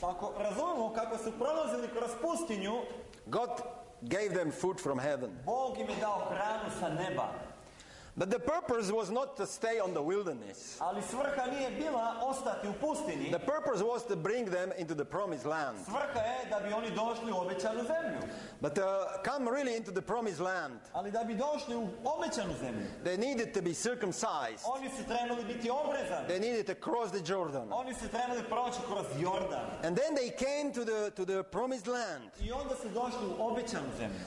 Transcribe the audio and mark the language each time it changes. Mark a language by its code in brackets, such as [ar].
[sr] tako razumemo kako su prolazili kroz pustinju, [en] God gave them food from heaven. [sr] Bog im je dao hranu sa neba. [en] But the purpose was not to stay on the wilderness. [sr] Ali svrha nije bila ostati u pustinji. [en] The purpose was to bring them into the promised land. [sr] Svrha je da bi oni došli u obećanu zemlju. [en] But to come really into the promised land. [sr] Ali da bi došli u obećanu zemlju. [en] They needed to be circumcised. [sr] Oni su trebali biti obrezani. [en] They needed to cross the Jordan. [sr] Oni su trebali proći kroz Jordan. [en] And then they came to the promised land. [sr] I onda su došli u obećanu zemlju.